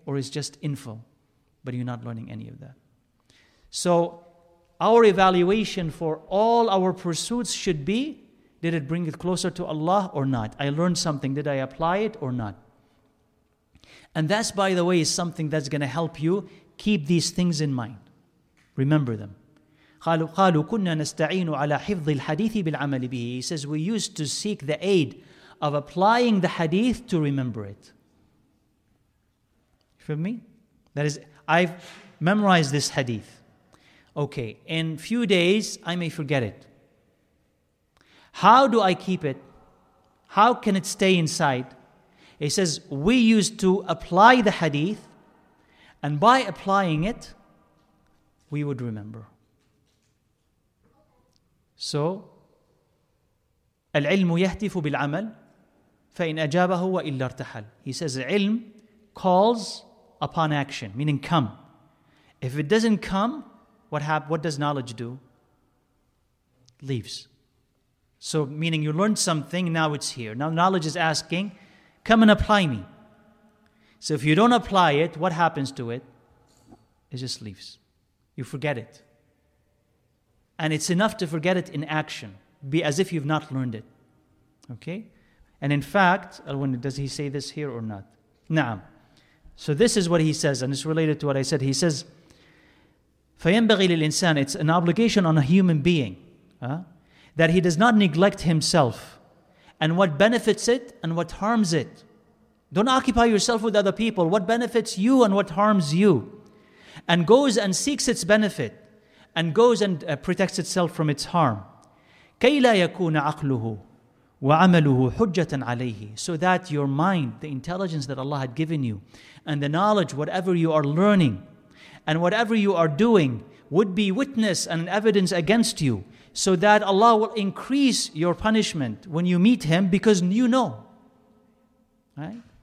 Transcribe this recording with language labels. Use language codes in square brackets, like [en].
[en] Or it's just info, but you're not learning any of that. So our evaluation for all our pursuits should be, did it bring it closer to Allah or not? I learned something, did I apply it or not? And that's, by the way, is something that's going to help you keep these things in mind. Remember them. [ar] قالوا كنا نستعين على حفظ الحديث بالعمل به. [en] He says, we used to seek the aid of applying the hadith to remember it. You feel me? That is, I've memorized this hadith. Okay, in a few days, I may forget it. How do I keep it? How can it stay inside? He says, we used to apply the hadith, and by applying it, we would remember. [ar] So, العلم يهتف بالعمل فإن أجابه وإلا ارتحل. [en] He says, علم calls upon action, meaning come. If it doesn't come, what does knowledge do? Leaves. So, meaning you learned something, now it's here. Now knowledge is asking, come and apply me. So if you don't apply it, what happens to it? It just leaves. You forget it. And it's enough to forget it in action. Be as if you've not learned it. Okay? And in fact, does he say this here or not? Na'am. So this is what he says, and it's related to what I said. He says, [ar] فَيَنْبَغِي لِلْإِنسَانِ. [en] It's an obligation on a human being, that he does not neglect himself. And what benefits it and what harms it? Don't occupy yourself with other people. What benefits you and what harms you? And goes and seeks its benefit, and goes and protects itself from its harm. [ar] كي لا يكون عقله وعمله حجة عليه. [en] So that your mind, the intelligence that Allah had given you, and the knowledge, whatever you are learning, and whatever you are doing, would be witness and evidence against you, so that Allah will increase your punishment when you meet Him, because you know. Right?